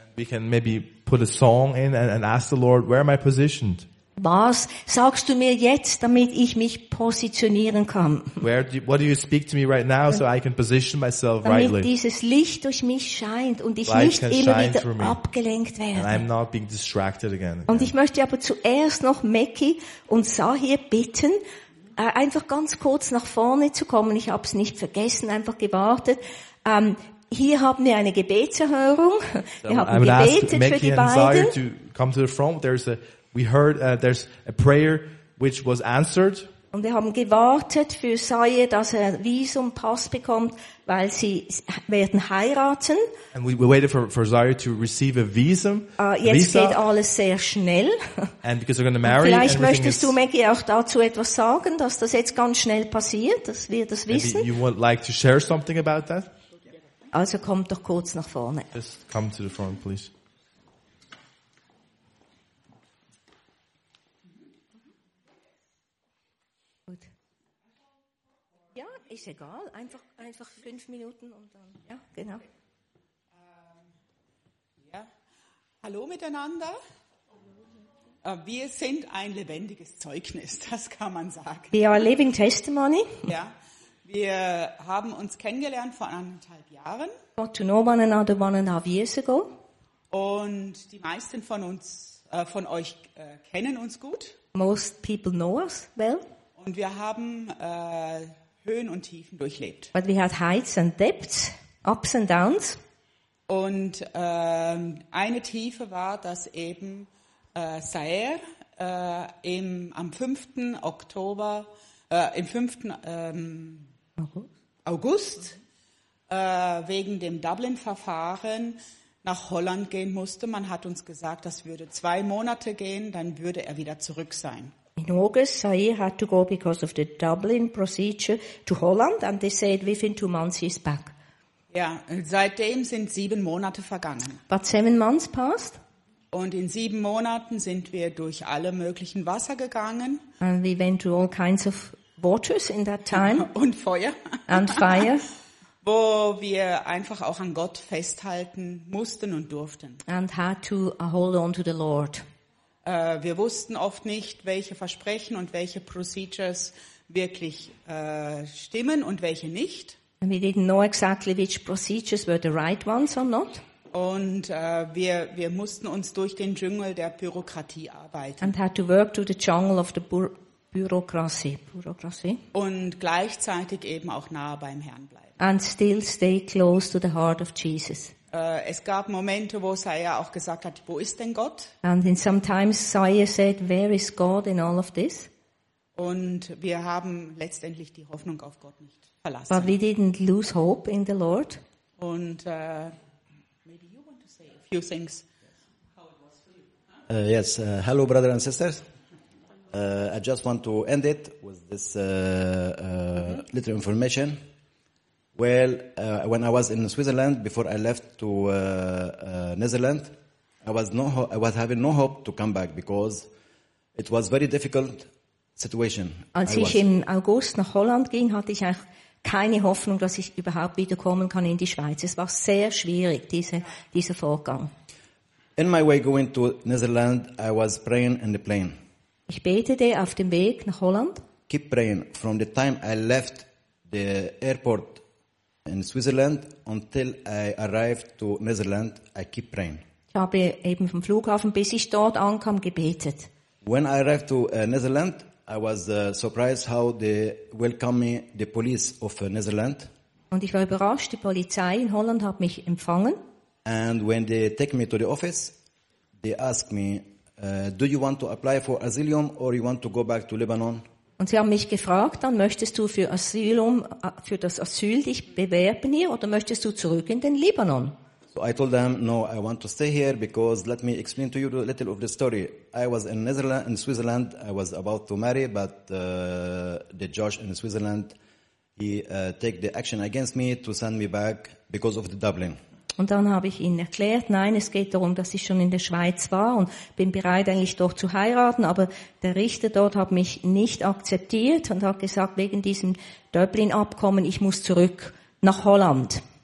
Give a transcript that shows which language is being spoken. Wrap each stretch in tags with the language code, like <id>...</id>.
<en>We can maybe put a song in and ask the Lord, where am I positioned?</en> <de>Was sagst du mir jetzt, damit ich mich positionieren kann?</de> <en>What do you speak to me right now so I can position myself rightly?</en> <de>Damit dieses Licht durch mich scheint und ich nicht immer wieder abgelenkt werde.</de> <en>And I'm not being distracted again.</en> <de>Und ich möchte aber zuerst noch Mackie und Sahir bitten, einfach ganz kurz nach vorne zu kommen. Ich habe es nicht vergessen, einfach gewartet. Hier haben wir eine Gebetserhörung. Wir haben gebetet für die beiden. Mackie and Zaire</de> <en>to come to the front. There's a prayer which was answered.</en> <de>Und wir haben gewartet für Zaire, dass er Visum, Pass bekommt, weil sie werden heiraten.</de> <en>And we waited for Zaire to receive a visum.</en> <de>Jetzt geht alles sehr schnell.</de> <en>And because they're going to marry.</en> <de>Vielleicht möchtest du, Maggie, auch dazu etwas sagen, dass das jetzt ganz schnell passiert, dass wir das wissen.</de> <en>Maybe you would like to share something about that?</en> <de>Also kommt doch kurz nach vorne.</de> <en>Just come to the front, please.</en> <de>Ist egal, einfach 5 Minuten und dann, ja, genau. Ja. Hallo miteinander. Wir sind ein lebendiges Zeugnis, das kann man sagen.</de> <en>We are a living testimony.</en> <de>Ja, wir haben uns kennengelernt vor 1,5 Jahren.</de> <en>Got to know one another 1.5 years ago.</en> <de>Und die meisten von uns, von euch, kennen uns gut.</de> <en>Most people know us well.</en> <de>Und wir haben Höhen und Tiefen durchlebt.</de> <en>But we had heights and depths, ups and downs.</en> <de>Und eine Tiefe war, dass eben Zaire am 5. Oktober, im 5. August wegen dem Dublin-Verfahren nach Holland gehen musste. Man hat uns gesagt, das würde 2 Monate gehen, dann würde er wieder zurück sein.</de> <en>In August, Zaire had to go because of the Dublin procedure to Holland, and they said within 2 months he's back.</en> <de>Ja, seitdem sind 7 Monate vergangen.</de> <en>But 7 months passed.</en> <de>Und in 7 Monaten sind wir durch alle möglichen Wasser gegangen.</de> <en>And we went through all kinds of waters in that time.</en> <de>Und Feuer.</de> <en>And fire.</en> <de>Wo wir einfach auch an Gott festhalten mussten und durften.</de> <en>And had to hold on to the Lord.</en> <de>Wir wussten oft nicht, welche Versprechen und welche Procedures wirklich stimmen und welche nicht.</de> <en>And we didn't know exactly which procedures were the right ones or not.</en> <de>Und wir mussten uns durch den Dschungel der Bürokratie arbeiten.</de> <en>And had to work through the jungle of the bureaucracy.</en> <de>Und gleichzeitig eben auch nah beim Herrn bleiben.</de> <en>And still stay close to the heart of Jesus.</en> <de>Es gab Momente, wo Zaire auch gesagt hat, wo ist denn Gott?</de> <en>And in sometimes Zaire said, where is God in all of this?</en> <de>Und wir haben letztendlich die Hoffnung auf Gott nicht verlassen.</de> <en>But we didn't lose hope in the Lord. Und maybe you want to say a few things. How it was for you? Yes, hello brother and sisters. I just want to end it with this little information. Well, when I was in Switzerland, before I left to Netherlands, I was having no hope to come back because it was very difficult situation.</en> <de>Als ich im August nach Holland ging, hatte ich auch keine Hoffnung, dass ich überhaupt wiederkommen kann in die Schweiz. Es war sehr schwierig, dieser Vorgang.</de> <en>In my way going to Netherlands, I was praying in the plane.</en> <de>Ich betete auf dem Weg nach Holland.</de> <en>Keep praying from the time I left the airport in Switzerland until I arrived to Netherlands, I keep praying.</en> <de>Ich habe eben vom Flughafen bis ich dort ankam gebetet.</de> <en>When I arrived to Netherlands, I was surprised how they welcomed me, the police of Netherlands.</en> <de>Und ich war überrascht, die Polizei in Holland hat mich empfangen.</de> <en>And when they take me to the office, they ask me, do you want to apply for asylum or you want to go back to Lebanon?</en> <de>Und sie haben mich gefragt, dann möchtest du für das Asyl dich bewerben hier oder möchtest du zurück in den Libanon?</de> <en>So I told them, no, I want to stay here because let me explain to you a little of the story. I was in Netherlands, in Switzerland, I was about to marry, but the judge in Switzerland, he take the action against me to send me back because of the Dublin.</en> <de>Und dann habe ich ihnen erklärt, nein, es geht darum, dass ich schon in der Schweiz war und bin bereit, eigentlich dort zu heiraten, aber der Richter dort hat mich nicht akzeptiert und hat gesagt, wegen diesem Dublin-Abkommen, ich muss zurück nach Holland.</de>